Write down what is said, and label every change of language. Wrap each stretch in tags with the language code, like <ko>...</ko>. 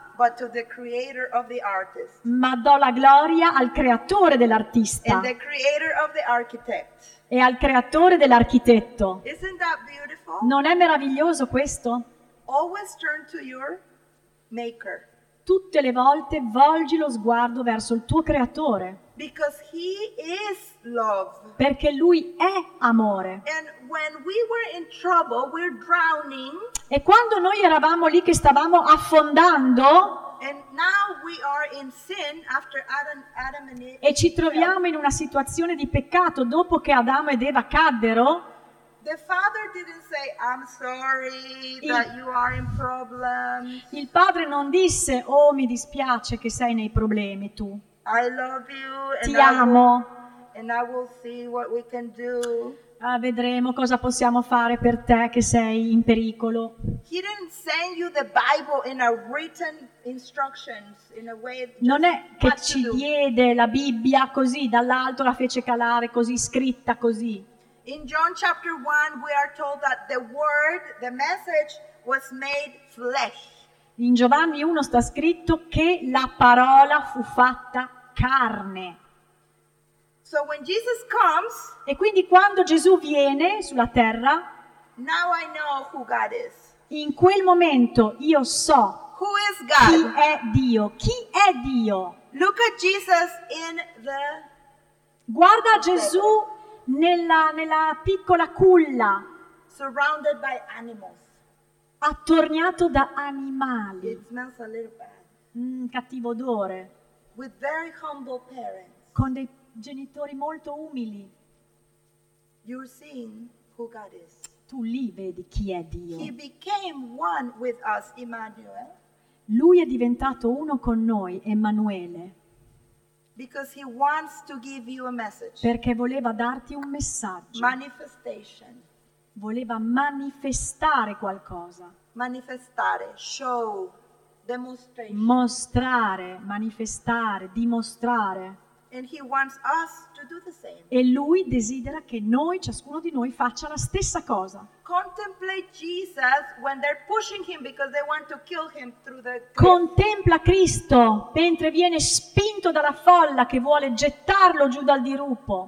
<en>But to the creator of the artist.</en> <it>Ma do la gloria al creatore dell'artista.</it> <en>And the creator of the architect.</en> <it>E al creatore dell'architetto.</it> <en>Isn't that beautiful?</en> <it>Non è meraviglioso questo?</it> <en>Always turn to your maker.</en> <it>Tutte le volte volgi lo sguardo verso il tuo creatore.</it> <en>Because he is love.</en> <it>Perché lui è amore.</it> <en>And when we were in trouble, we're drowning.</en> <it>E quando noi eravamo lì che stavamo affondando,</it> <en>and now we are in sin after Adam and Eve,</en> <it>e ci troviamo in una situazione di peccato dopo che Adamo ed Eva caddero,</it> <en>the father didn't say, I'm sorry that you are in problems.</en> <it>Il padre non disse, oh mi dispiace che sei nei problemi tu.</it> <en>I love you,</en> <it>ti</it> <en>and</en> <it>amo.</it> <en>I will see what we can do.</en> <it>Vedremo cosa possiamo fare per te che sei in pericolo.</it> <en>He didn't send you the Bible in a written instructions in a way.</en> <it>Non è che ci diede la Bibbia così dall'alto, la fece calare così scritta così.</it> <en>In John chapter 1 we are told that the word, the message was made flesh.</en> <it>In Giovanni 1 sta scritto che la parola fu fatta carne.</it> <en>So when Jesus comes,</en> <it>e quindi quando Gesù viene sulla terra,</it> <en>now I know who God is.</en> <it>In quel momento io so</it> <en>who is God?</en> <it>Chi è Dio. Chi è Dio?</it> <en>Look at Jesus in the...</en> <it>Guarda Gesù nella piccola culla.</it> <en>Surrounded by animals.</en> <it>Attorniato da animali.</it> <en>It smells a little bad.</en> <it>Cattivo odore.</it> <en>With very humble parents.</en> <it>Con dei genitori molto umili.</it> <en>You're seeing who God is.</en> <it>Tu lì vedi chi è Dio.</it> <en>He became one with us, Emmanuel.</en> <it>Lui è diventato uno con noi, Emanuele.</it> <en>Because he wants to give you a message.</en> <it>Perché voleva darti un messaggio.</it> <en>Manifestation.</en> <it>Voleva manifestare qualcosa. Manifestare,</it> <en>show, demonstration.</en> <it>Mostrare, manifestare, dimostrare.</it> <en>And he wants us to do the same.</en> <it>E lui desidera che noi, ciascuno di noi, faccia la stessa cosa.</it> <en>Contemplate Jesus when they're pushing him because they want to kill him through the cliff.</en> <it>Contempla Cristo mentre viene spinto dalla folla che vuole gettarlo giù dal dirupo.</it>